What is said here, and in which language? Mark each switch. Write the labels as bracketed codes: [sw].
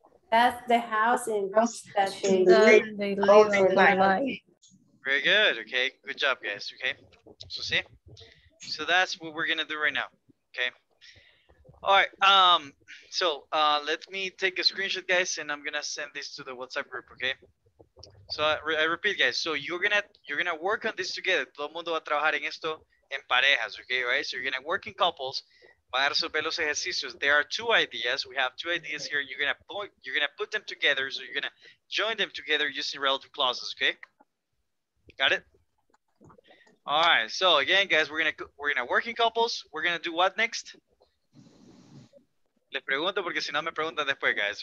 [en] That's the house in which they lived all their lives. Very good. Okay. Good job, guys. Okay. So see? So that's what we're going to do right now. Okay. All right. So let me take a screenshot, guys, and I'm going to send this to the WhatsApp group. Okay. So I repeat, guys. So you're gonna work on this together. [es] Todo el mundo va a trabajar en esto en parejas, okay? [en] Right? So you're gonna work in couples. [es] Van a resolver los ejercicios. [en] There are two ideas. We have two ideas here. You're gonna put them together. So you're gonna join them together using relative clauses, okay? Got it? All right. So again, guys, we're gonna work in couples. We're gonna do what next? [es] Les pregunto porque si no me preguntan después, guys.